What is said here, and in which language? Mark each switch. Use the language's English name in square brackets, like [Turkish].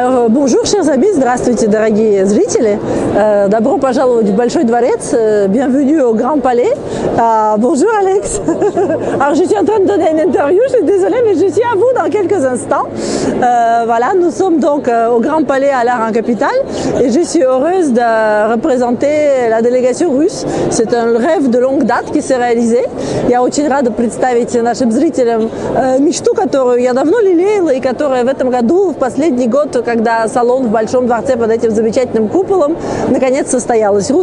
[French] Bonjour, chers amis, [Russian] здравствуйте, дорогие зрители. Добро пожаловать в Большой дворец. [French] Bienvenue au Grand Palais. Bonjour, Alex. Alors, je suis en train de donner une interview. Je suis désolée, mais je suis à vous dans quelques instants. Voilà, nous sommes donc au Grand Palais à l'Art en Capitale. Et je suis heureuse de représenter la délégation russe. C'est un rêve de longue date qui s'est réalisé. [Russian] Я очень рада представить нашим зрителям мечту, которую я давно лелеяла и которая в этом году, в последний год, когда салон в Большом дворце под этим замечательным куполом, наконец состоялась.